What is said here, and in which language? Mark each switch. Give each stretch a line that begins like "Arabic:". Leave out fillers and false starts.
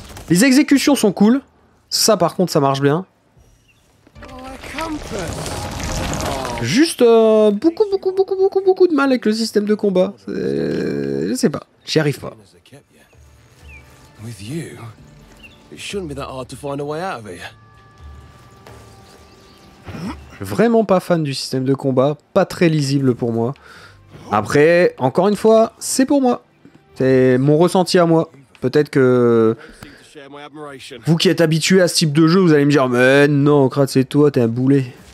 French: Les exécutions sont cool. Ça, par contre, ça marche bien. Juste beaucoup de mal avec le système de combat. Je sais pas, j'y arrive pas.
English: With you, it shouldn't be that hard to find a way out of here.
French: Vraiment pas fan du système de combat, pas très lisible pour moi. Après, encore une fois, c'est pour moi. C'est mon ressenti à moi. Peut-être que vous qui êtes habitué à ce type de jeu, vous allez me dire mais non, Krat, c'est toi, t'es un boulet.